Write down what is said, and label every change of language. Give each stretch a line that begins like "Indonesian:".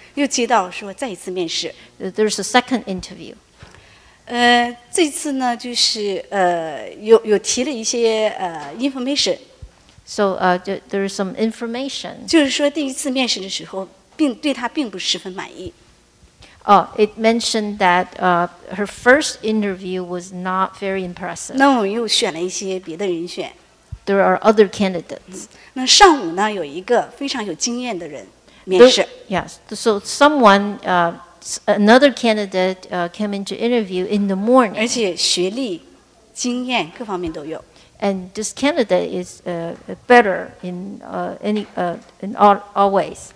Chinese: 又接到说再一次面试。
English: There's a second interview.
Chinese: 这次呢，就是有提了一些information.
English: So there's some information.
Chinese: 就是说第一次面试的时候，对他并不十分满意。
English: Oh, it mentioned that her first interview was not very impressive.
Chinese: 那我们又选了一些别的人选。
English: There are other candidates.
Chinese: 那上午呢，有一个非常有经验的人面试。
English: Yes, so someone, another candidate came into interview in the morning.
Chinese: 而且学历、经验各方面都有。
English: And this candidate is better in in all ways.